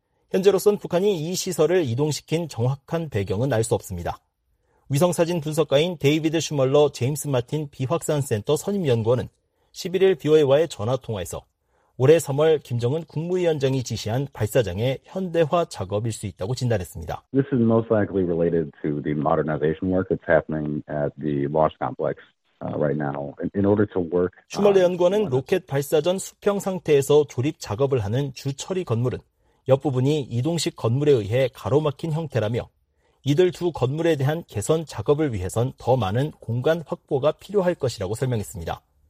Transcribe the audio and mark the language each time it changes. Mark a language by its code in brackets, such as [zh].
[ko] 현재로선 북한이 이 시설을 이동시킨 정확한 배경은 알 수 없습니다. 위성사진 분석가인 데이비드 슈멀러 제임스 마틴 비확산센터 선임연구원은 11일 BOA와의 전화통화에서 올해 3월 김정은 국무위원장이 지시한 발사장의 현대화 작업일 수 있다고 진단했습니다. [en] This is most likely related to the modernization work that's happening at the launch complex. Right now, in order to work, [ko] 슈멀러 연구원은 로켓 발사 전 수평 상태에서 조립 작업을 하는 주 처리 건물은 옆부분이 이동식 건물에 의해 가로막힌 형태라며 이들 두 건물에 대한 개선 작업을 위해선 더 많은 공간 확보가 필요할 것이라고 설명했습니다.